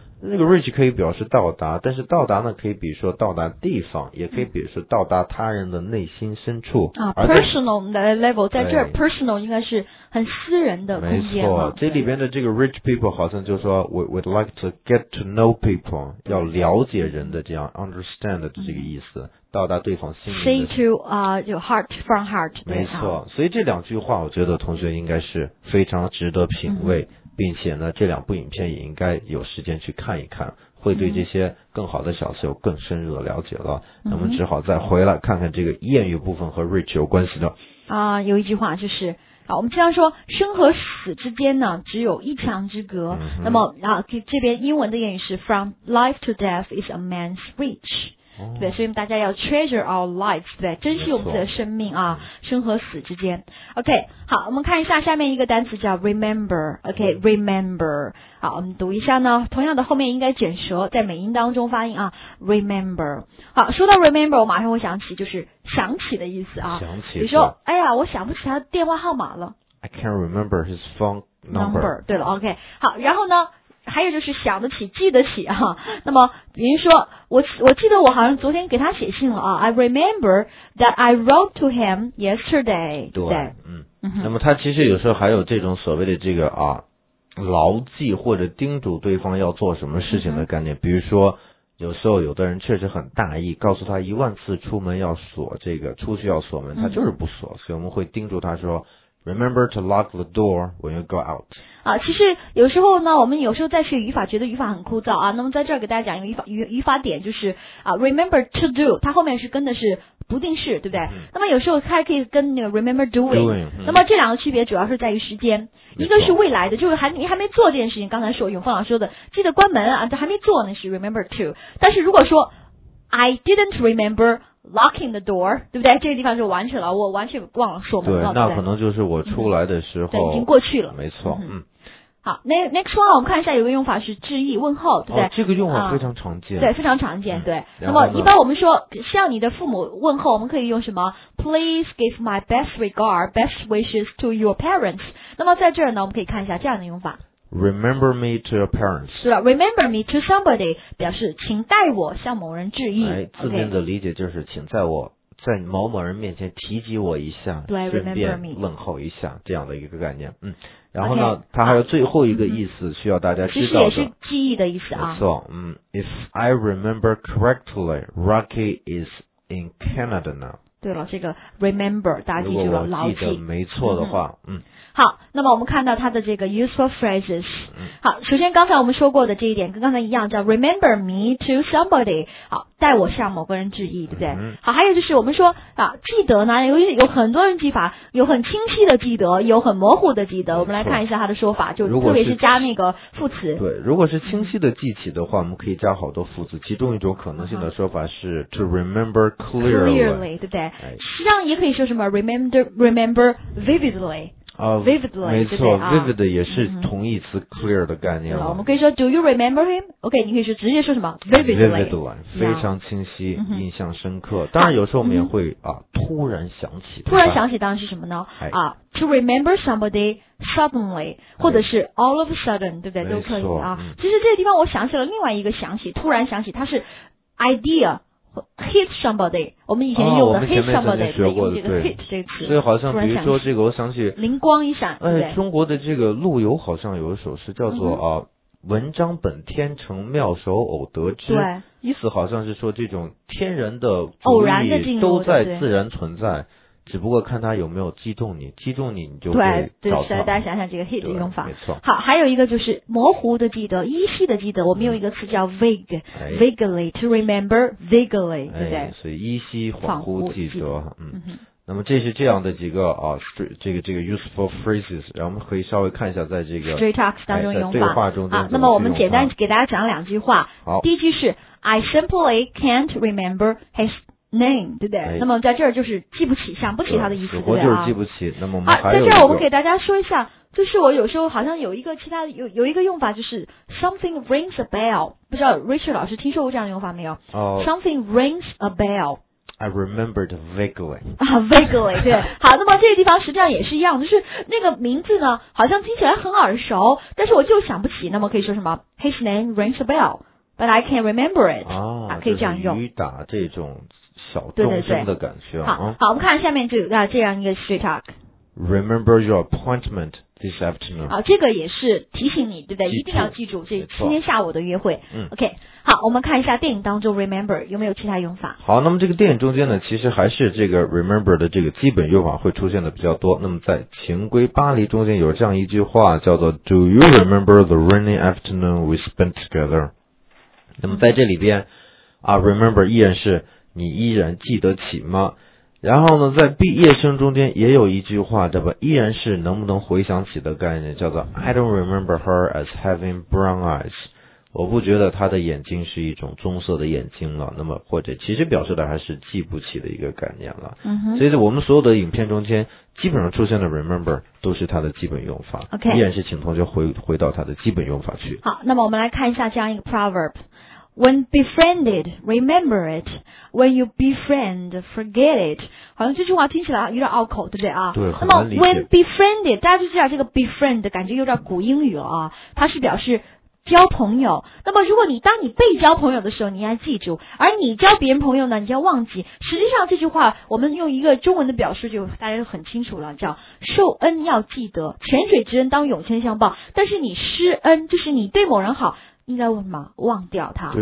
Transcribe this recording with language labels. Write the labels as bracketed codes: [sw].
[zh] 那个 reach 可以表示到达，但是到达呢可以比如说到达地方，也可以比如说到达他人的内心深处啊。 personal level 在这儿 personal 应该是很私人的空间。没错，这里边的这个 rich people 好像就是说 [en] we'd like to get to know people， [zh] 要了解人的这样 understand 的这个意思、嗯、到达对方心里。 [en] See to your heart from heart. [zh] 没错，所以这两句话我觉得同学应该是非常值得品味，并且呢，这两部影片也应该有时间去看一看，会对这些更好的小词有更深入的了解了。那么只好再回来看看这个谚语部分和 Rich 有关系的。有一句话就是啊，我们经常说生和死之间呢只有一墙之隔。那么这边英文的谚语是 [en] From life to death is a man's reach。 [zh] 对，所以大家要 [en] treasure our lives， [zh] 对，珍惜我们的生命啊，生和死之间。 OK， 好，我们看一下下面一个单词叫 remember。 OK， remember。好，我们读一下呢，同样的后面应该卷舌，在美音当中发音啊， remember。好，说到 remember， 我马上会想起就是想起的意思啊，想起。比如说，哎呀，我想不起他的电话号码了。 [en] I can't remember his phone number。 [zh] Number， 对了 ，OK， 好，然后呢？还有就是想得起记得起啊，那么比如说我记得我好像昨天给他写信了啊， [en] I remember that I wrote to him yesterday。 [zh] 对，那么他其实有时候还有这种所谓的这个啊牢记或者叮嘱对方要做什么事情的概念，比如说有时候有的人确实很大意，告诉他一万次出门要锁这个出去要锁门，他就是不锁，所以我们会叮嘱他说 [en] Remember to lock the door when you go out. [zh] 啊，其实有时候呢，我们有时候在学语法，觉得语法很枯燥啊。那么在这儿给大家讲一个语法点，就是啊 ，remember to do， 它后面是跟的是不定式，对不对？那么有时候它还可以跟那个 remember doing。那么这两个区别主要是在于时间，一个是未来的，就是你还没做这件事情。刚才说永峰老师说的，记得关门啊，这还没做呢是 remember to。但是如果说 [en] I didn't remember。 Locking the door， [zh] 对不对？这个地方就完成了，我完全忘了锁门了。对，那可能就是我出来的时候，对，已经过去了。没错，好，那 [en] next one [zh] 我们看一下，有个用法是致意问候，对不对？哦，这个用法非常常见。对，非常常见。对，那么一般我们说向你的父母问候，我们可以用什么 ？ [en] Please give my best regard, best wishes to your parents。 [zh] 那么在这儿呢，我们可以看一下这样的用法。 [en] Remember me to your parents. [zh] 是吧 ？ [en] Remember me to somebody [zh] 表示请代我向某人致意。哎，字面的理解就是请在我在某某人面前提及我一下，对，顺便问候一下这样的一个概念。然后呢，它还有最后一个意思需要大家知道的，其实也是记忆的意思啊。没错， [en] If I remember correctly, Rocky is in Canada now. [zh] 对了，这个 remember 大家记住了，牢记。如果我记得没错的话，好，那么我们看到它的这个 useful phrases。好，首先刚才我们说过的这一点跟刚才一样，叫 [en] remember me to somebody。 [zh] 好，代我向某个人致意，对不对？好，还有就是我们说啊，记得呢，有很多人记法，有很清晰的记得，有很模糊的记得。我们来看一下它的说法，就特别是加那个副词。对，如果是清晰的记起的话，我们可以加好多副词。其中一种可能性的说法是 [en] to remember [zh] clearly，对不对？实际上也可以说什么 [en] remember vividly。 Vividly， [zh] 没错，对对， vivid 也是同义词 clear 的概念了。 [en] 我们可以说 Do you remember him？ [zh] OK， 你可以说直接说什么 vividly，非常清晰，印象深刻。当然，有时候我们也会突然想起。突然想起当时是什么呢？ [en] To remember somebody suddenly， [zh] 或者是 [en] all of a sudden， [zh] 对不对？都可以啊。其实这个地方我想起了另外一个想起，突然想起，它是 idea。 [en] Hit somebody， [zh] 我们以前用的 [en] hit somebody [zh] 曾经学过的，对，这个词。所以好像比如说这个，我想起灵光一闪。哎，中国的这个陆游好像有一首诗叫做文章本天成，妙手偶得之。对，意思好像是说这种天然的偶然的进入都在自然存在，只不过看他有没有击中你，击中你你就会找他。对，大家想想这个 hit 的用法，没错。好，还有一个就是模糊的记得，依稀的记得。我们有一个词叫 vague， vaguely [en] to remember vaguely， [zh] 对不对？所以依稀恍惚记得，那么这是这样的几个这个 useful phrases， 然后我们可以稍微看一下在这个 straight talks 当中用法，对话中啊。那么我们简单给大家讲两句话。好，第一句是 [en] I simply can't remember his name， [zh] 对不对？那么在这儿就是记不起，想不起他的意思，对不对？就是记不起。那么我们还有在这儿，我们给大家说一下，就是我有时候好像有一个其他有一个用法，就是 [en] something rings a bell， [zh] 不知道 Richard 老师听说过这样的用法没有？ [en] something rings a bell。 I remembered vaguely. Vaguely， [zh] 对。好，那么这个地方实际上也是一样，就是那个名字呢，好像听起来很耳熟，但是我就想不起。那么可以说什么 [en] ？His name rings a bell, but I can't remember it。 [zh] 可以这样用。雨打这种。小众生的感觉，对对对。好，我们看下面就有这样一个 straight talk。 [en] Remember your appointment this afternoon。 [zh] 好，这个也是提醒你，对不对？一定要记住这今天下午的约会。OK，好，我们看一下电影当中 remember 有没有其他用法。好，那么这个电影中间呢，其实还是这个 remember 的这个基本用法会出现的比较多。那么在《情归巴黎》中间有这样一句话叫做 [en] Do you remember the rainy afternoon we spent together？ [zh] 那么在这里边啊 ，remember 依然是你依然记得起吗？然后呢，在毕业生中间也有一句话，叫做依然是能不能回想起的概念，叫做 [en] I don't remember her as having brown eyes。 [zh] 我不觉得他的眼睛是一种棕色的眼睛了，那么或者其实表示的还是记不起的一个概念了。嗯哼，所以在我们所有的影片中间基本上出现的 remember 都是它的基本用法。 [en] OK， [zh] 依然是请同学回到它的基本用法去。好，那么我们来看一下这样一个 proverb。 [en] When befriended, remember it. When you befriend, forget it. [zh] 好像这句话听起来有点拗口，对不对啊？对，很难理解。那么 when befriended， 大家就知道这个 befriend 感觉有点古英语啊，它是表示交朋友。那么如果你当你被交朋友的时候你应该记住，而你交别人朋友呢你就要忘记。实际上这句话我们用一个中文的表述就大家就很清楚了，叫受恩要记得，泉水之恩当涌泉相报，但是你施恩就是你对某人好应该问什么忘掉他。